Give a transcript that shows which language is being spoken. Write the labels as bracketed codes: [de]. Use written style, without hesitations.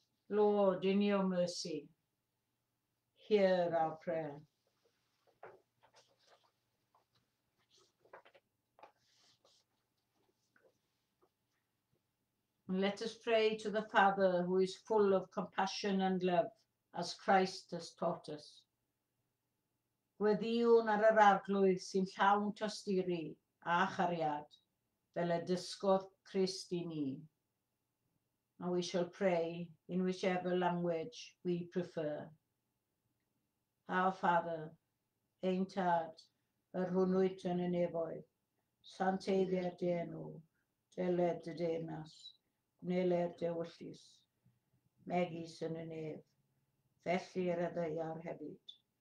[en] Lord, in your mercy, hear our prayer. And let us pray to the Father who is full of compassion and love, as Christ has taught us. [cy] Gweddiwn ar yr arglwydd sy'n llawn tosturi a chariad, fel y dysgodd Christ I ni. [en] And we shall pray in whichever language we prefer. Our Father, [cy] ein tad, yr hwnwyt yn y nefoedd, santeiddiad dy enw, dyled dy deyrnas, gwneiled dy wyllus, megis yn y nef, felly yr y ddeiar hefyd.